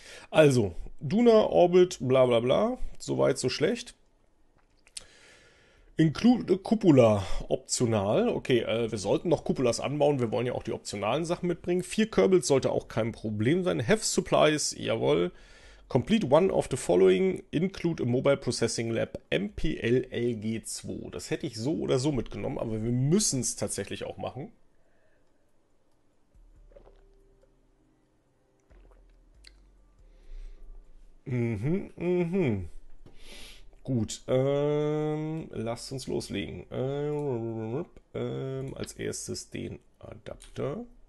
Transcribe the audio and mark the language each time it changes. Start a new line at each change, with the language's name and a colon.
German: Also, Duna Orbit, bla bla bla, so weit, so schlecht.
English: Include Cupula, optional.
German: Okay, wir sollten noch Cupulas anbauen. Wir wollen ja auch die optionalen Sachen mitbringen. Vier Kerbals sollte auch kein Problem sein.
English: Have Supplies,
German: jawohl.
English: Complete one of the following, include a mobile processing lab, MPLLG2.
German: Das hätte ich so oder so mitgenommen, aber wir müssen es tatsächlich auch machen. Gut, lasst uns loslegen. Als erstes den Adapter.